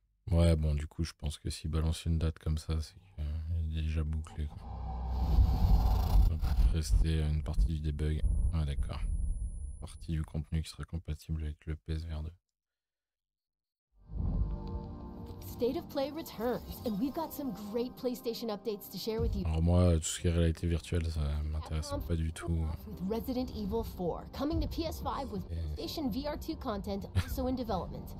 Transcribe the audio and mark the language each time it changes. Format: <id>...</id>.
<fr>Ouais, bon, du coup, je pense que s'il balance une date comme ça, c'est qu'il est déjà bouclé. Quoi. Rester une partie du debug. Ah, d'accord. Partie du contenu qui sera compatible avec le PSVR 2.</fr> <en>State of Play returns, and we've got some great PlayStation updates to share with you.</en> <fr>Alors moi, tout ce qui est réalité virtuelle, ça m'intéresse pas du tout.</fr> <en>With Resident Evil 4 coming to PS5 with PlayStation VR 2 content also in development.</en>